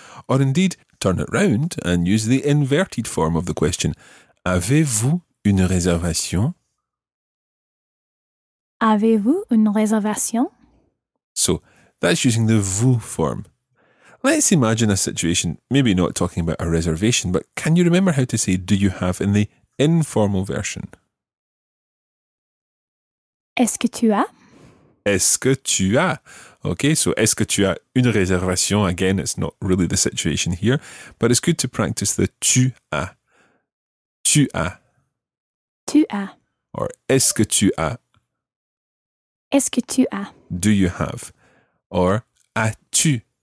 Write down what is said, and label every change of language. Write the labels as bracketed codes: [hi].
[en] Or indeed, turn it round and use the inverted form of the question, [fr] avez-vous une réservation? Avez-vous une réservation? [en] So, that's using the vous form. Let's imagine a situation, maybe not talking about a reservation, but can you remember how to say do you have in the informal version? [fr] Est-ce que tu as? Est-ce que tu as? [en] Okay, so [fr] est-ce que tu as une réservation? [en] Again, it's not really the situation here, but it's good to practice the [fr] tu as. Tu as. Tu as. Or est-ce que tu as? Est-ce que tu as? [en] Do you have? Or [fr] as-tu?